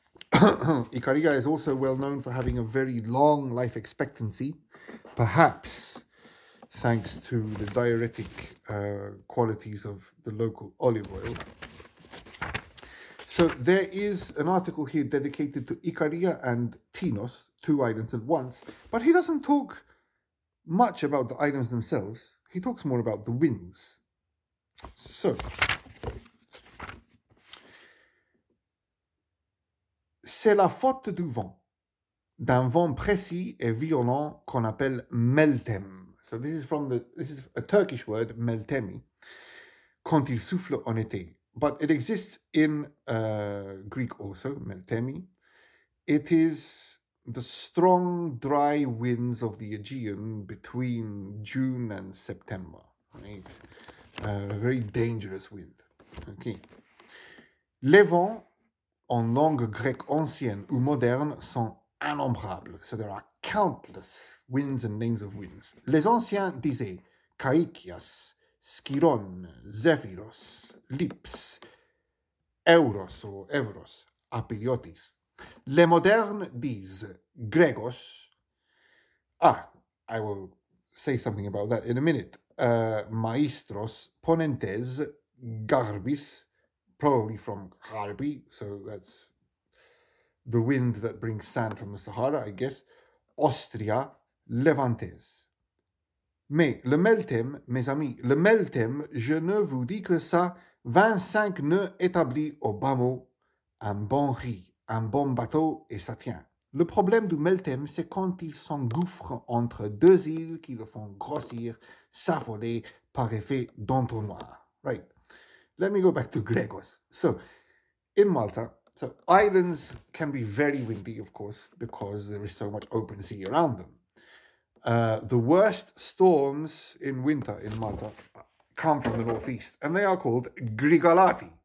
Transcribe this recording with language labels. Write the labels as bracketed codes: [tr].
[en] Ikaria is also well known for having a very long life expectancy, perhaps thanks to the diuretic qualities of the local olive oil. So there is an article here dedicated to Ikaria and Tinos, two islands at once, but he doesn't talk much about the islands themselves. He talks more about the winds. So, [fr] c'est la faute du vent, d'un vent précis et violent qu'on appelle meltem. [en] So this is from a Turkish word, meltemi, [fr] quand il souffle en été. [en] But it exists in Greek also, meltemi. It is the strong, dry winds of the Aegean between June and September. Right? A very dangerous wind. Okay. [fr] Les vents en langue grecque ancienne ou moderne, sont innombrables. [en] So there are countless winds and names of winds. [fr] Les anciens disaient Kaikias, Skiron, Zephyros, Lips, Euros ou Evros, Apiliotis. Les modernes disent Gregos. [en] Ah, I will say something about that in a minute. Maestros, Ponentes, Garbis, probably from Gharbi, so that's the wind that brings sand from the Sahara, I guess. [fr] Austria, Levantes. Mais le meltem, mes amis, le meltem, je ne vous dis que ça, 25 nœuds établis au bas mot, un bon riz, un bon bateau, et ça tient. Le problème du meltem, c'est quand il s'engouffre entre deux îles qui le font grossir, s'affoler par effet d'entonnoir. [en] Right. Let me go back to Gregos. So, in Malta, so islands can be very windy, of course, because there is so much open sea around them. The worst storms in winter in Malta come from the northeast, and they are called Grigalati.